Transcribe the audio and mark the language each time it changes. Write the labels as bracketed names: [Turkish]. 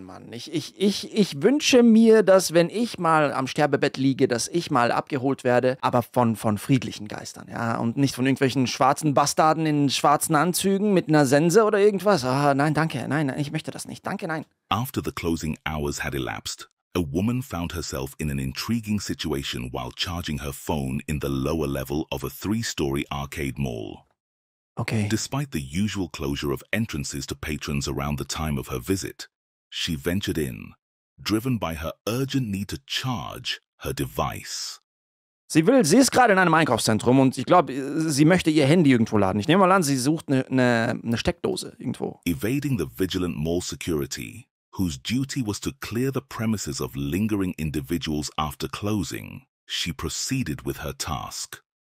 [German] Ich wünsche mir, dass wenn ich mal am Sterbebett liege, dass ich mal abgeholt werde, aber von friedlichen Geistern, ja? Und nicht von irgendwelchen schwarzen Bastarden in schwarzen Anzügen mit einer Sense oder irgendwas. Oh, nein, danke. Nein, ich möchte das nicht. Danke, nein. [English] After the closing hours had elapsed, a woman found herself in an intriguing situation while charging her phone in the lower level of a 3-story arcade mall. Okay. Despite the usual closure of entrances to patrons around the time of her visit, she ventured in, driven by her urgent need to charge her device. [German] Sie ist gerade in einem Einkaufszentrum und ich glaube, sie möchte ihr Handy irgendwo laden. Ich nehme mal an, sie sucht eine Steckdose irgendwo. [English] Evading the vigilant mall security, whose duty was to clear the premises of lingering individuals after closing, she proceeded with her task.